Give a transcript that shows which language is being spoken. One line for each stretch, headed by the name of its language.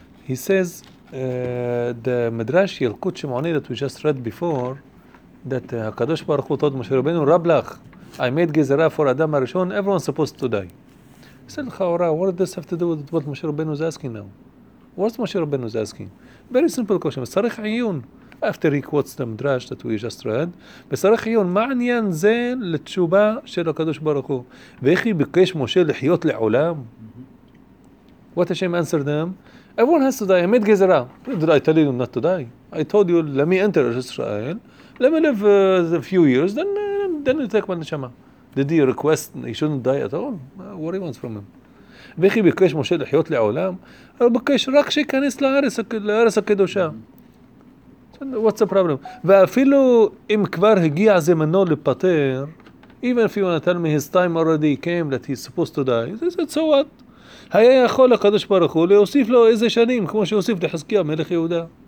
English: He says the Midrash Yilkut Shimoni that we just read before, that Hakadosh Baruch Hu told Moshe Rabbeinu, Rablach, I made Gezerah for Adam Arishon, everyone's supposed to die. He said, Chaora, what does this have to do with what Moshe Rabbeinu is asking now? What's Moshe Rabbeinu is asking? Very simple question. Sarich Ayun. After he quotes the midrash that we just read,
Hebrew: בסרח עיון, מה עניין זה לתשובה של הקדוש ברוך הוא? ואיך היא ביקש משה לחיות לעולם?
English: What Hashem answered them? Everyone has to die, I made גזרה. Did I tell you not to die? I told you, let me enter Israel, let me live a few years, then you take my neshama. Did he request he shouldn't die at all? What he wants from him?
Hebrew: ואיך היא ביקש משה לחיות לעולם? הוא ביקש רק שיכנס לארץ הקדושה.
English: What's the problem?
Hebrew: ואפילו אם כבר הגיע זמנו לפטר,
English: even if you want to tell me his time already came that he's supposed to die, he said, so what?
Hebrew: היה יכול הקדוש ברוך הוא להוסיף לו איזה שנים, כמו שהוסיף לחזקיה מלך יהודה.